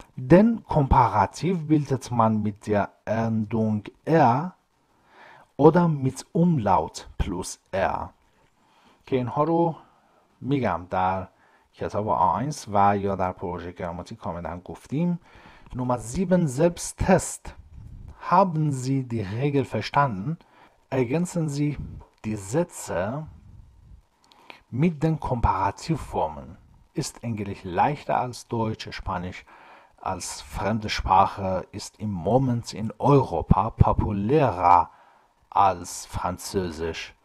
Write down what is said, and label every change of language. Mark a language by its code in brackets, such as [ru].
[de] Den Komparativ bildet man mit der Endung er oder mit Umlaut plus er. [fa] که اینها رو میگم در کتاب A1 و یا در پروژه گراماتیک کاملا گفتیم. [de] Nummer 7 Selbsttest. Haben Sie die Regel verstanden? Ergänzen Sie die Sätze mit den Komparativformen. Ist Englisch leichter als Deutsch, Spanisch als fremde Sprache, ist im Moment in Europa populärer als Französisch.